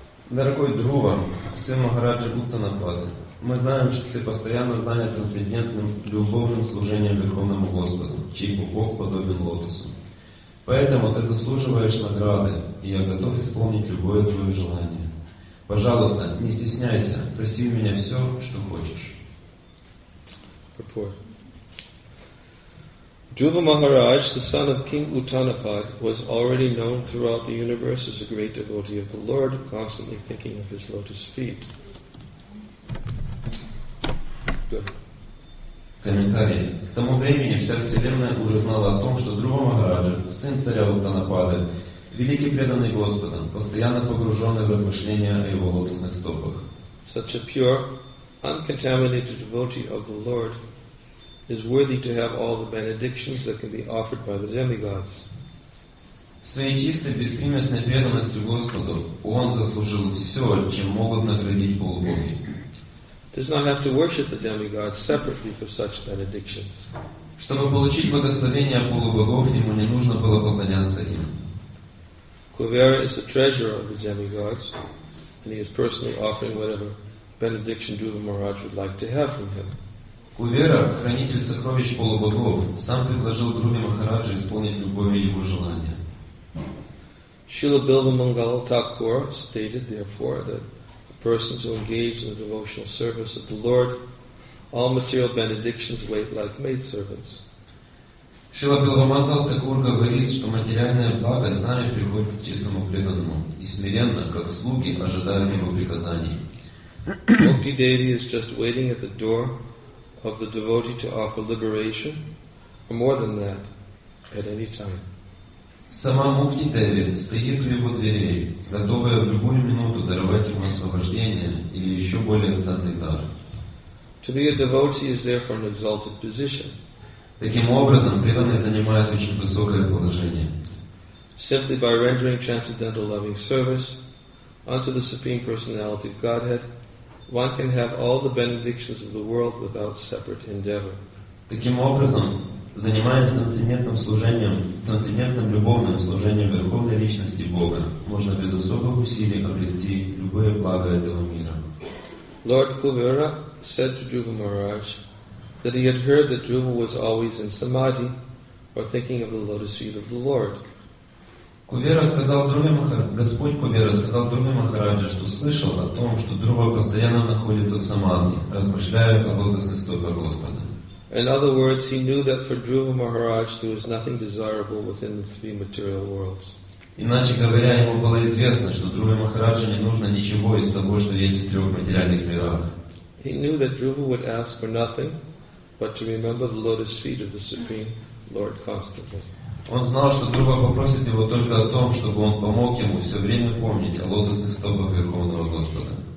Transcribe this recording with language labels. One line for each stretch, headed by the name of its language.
Russian: Дорогой Dhruva, сын Махараджа Уттанапады, мы знаем, что ты постоянно занят трансцендентным любовным служением Верховному Господу, чей пупок подобен лотосу. Поэтому ты заслуживаешь награды, и я готов исполнить любое твое желание. Пожалуйста, не стесняйся, проси у меня все, что хочешь.
English: Dhruva Maharaj, the son of King Uttanapada, was already known throughout the universe as a great devotee of the Lord, constantly thinking of his lotus feet.
Russian: Комментарий. К тому времени вся Вселенная уже знала о том, что Dhruva Maharaja, сын царя Уттанапады, великий преданный Господа, постоянно погруженный в размышления о его лотосных стопах.
English: Such a pure, uncontaminated devotee of the Lord is worthy to have all the benedictions that can be offered by the demigods.
Russian: Своей чистой, беспримесной преданностью Господу он заслужил все, чем могут наградить полубоги.
English: Does not have to worship the demigods separately for such benedictions.
Russian: Чтобы получить благословение полубогов, ему не нужно было поклоняться им.
English: Kuvera is the treasurer of the demigods, and he is personally offering whatever benediction Dhruva Maharaj would like to have from him.
Russian: Кувера, хранитель сокровищ полубогов, сам предложил Друме Махараджу исполнить любое его желание.
English: Srila Bilvamangala Thakur stated, therefore, that a person who engages in the devotional service of the Lord, all material benedictions wait like maidservants.
Russian: Srila Bilvamangala Thakur говорит, что материальные блага сами приходят к чистому преданному и смиренно, как слуги, ожидают его приказаний.
English: Gopi Devi is just waiting at the door of the devotee to offer liberation, or more than that, at any time.
Russian: Сама Мукти Деви стоит у его дверей, готовая в любую минуту даровать ему освобождение или еще более ценный дар.
English: To be a devotee is therefore an exalted position.
Russian: Таким образом, преданный занимает очень высокое положение.
English: Simply by rendering transcendental loving service unto the Supreme Personality of Godhead, one can have all the benedictions of the world without separate endeavor.
Russian: Таким образом, занимаясь трансцендентным служением, трансцендентным любовным служением Верховной Личности Бога, можно без особых усилий обрести любое благо этого мира.
English: Lord Kuvera said to Dhruva Maharaj that he had heard that Dhruva was always in samadhi, or thinking of the lotus feet of the Lord.
Russian: Господь Кувера сказал Друме Махараджа, что слышал о том, что Друва постоянно находится в самадхи, размышляя о лотосных стопах Господа.
English: In other words, he knew that for Dhruva Maharaj there was nothing desirable within the three material worlds.
Russian: Иначе говоря, ему было известно, что Друве Махараджа не нужно ничего из того, что есть в трех материальных мирах.
English: He knew that Dhruva would ask for nothing but to remember the lotus feet of the Supreme Lord constantly.
Russian: Он знал, что Друва попросит его только о том, чтобы он помог ему все время помнить о лотосных стопах Верховного Господа.